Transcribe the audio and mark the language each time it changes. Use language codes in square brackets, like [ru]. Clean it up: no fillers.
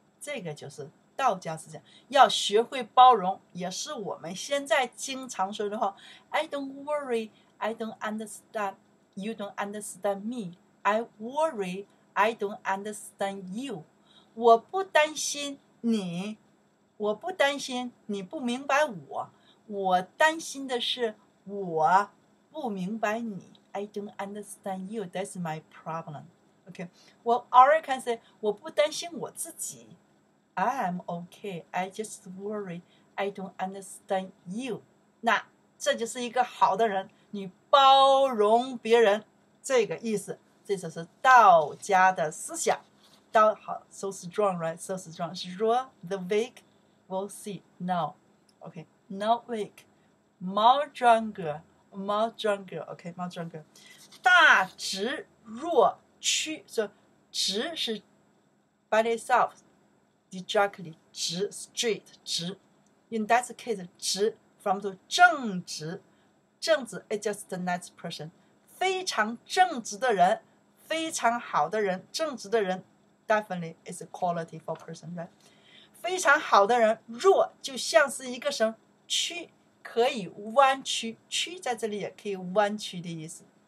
[zh] 这个就是道家思想，要学会包容，也是我们现在经常说的话， [en] I don't worry I don't understand You don't understand me I worry I don't understand you。 [zh] 我不担心你，我不担心你不明白我，我担心的是我不明白你。 [en] I don't understand you, that's my problem. OK， 我 or I can say [zh] 我不担心我自己， [en] I'm OK, I just worry I don't understand you。 [zh] 那这就是一个好的人，你包容别人，这个意思，这就是道家的思想。道好 [en] so strong, right? So strong. [zh] 是说 [en] the weak will see now. OK, not weak. More stronger, more stronger. OK, more stronger. [zh] 大直若屈，所以直是 [en] by itself, directly, [zh] 直 straight, 直。 [en] In that case, 直 from the 正直，正直 is just a nice person. [zh] 非常正直的人，非常好的人，正直的人。 [en] Definitely is a quality for person, right? [zh] 非常好的人，若就像是一个什么曲，可以弯曲，曲在这里也可以弯曲的意思。